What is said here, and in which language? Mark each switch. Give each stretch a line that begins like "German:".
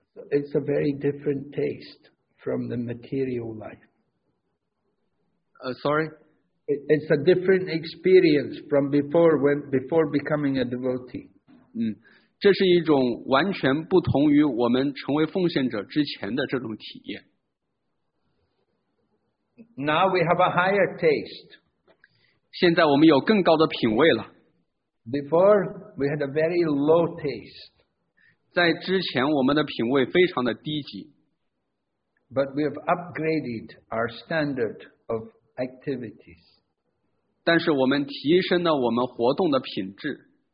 English: It's a very different taste from the material life. It's a different experience from before becoming a devotee.
Chinese: 这是一种完全不同于我们成为奉献者之前的这种体验。
English: Now we have a higher taste.
Chinese: 现在我们有更高的品味了。
English: Before we had a very low taste.
Chinese: 在之前我们的品味非常的低级。
English: But we have upgraded our standard of activities.
Chinese: 但是我们提升了我们活动的品质。